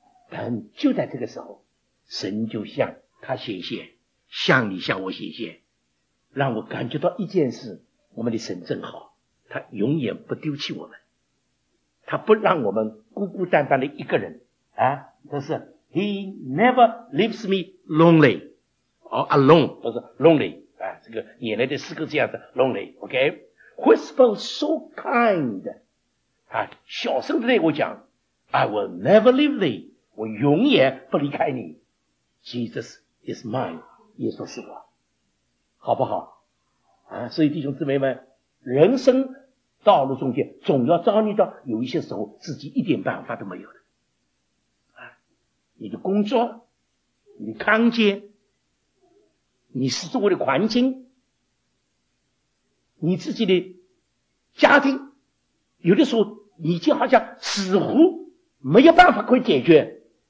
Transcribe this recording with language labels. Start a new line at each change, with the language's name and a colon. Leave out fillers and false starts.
Chinese: 但就在这个时候，神就向他显现，向你向我显现，让我感觉到一件事，我们的神真好，他永远不丢弃我们，他不让我们孤孤单单的一个人啊！但是
English: He never leaves me lonely or alone，
Chinese: 不是 lonely 啊，这个原来的诗歌这样子 lonely， OK，
English: Whisper so kind，
Chinese: 他小声地对我讲
English: I will never leave thee，
Chinese: 我永远不离开你。
English: Jesus is mine，
Chinese: 耶稣是我，好不好？啊，所以弟兄姊妹们，人生道路中间总要遭遇到有一些时候自己一点办法都没有的，啊，你的工作，你的康健，你是周围的环境，你自己的家庭，有的时候你就好像似乎没有办法可以解决。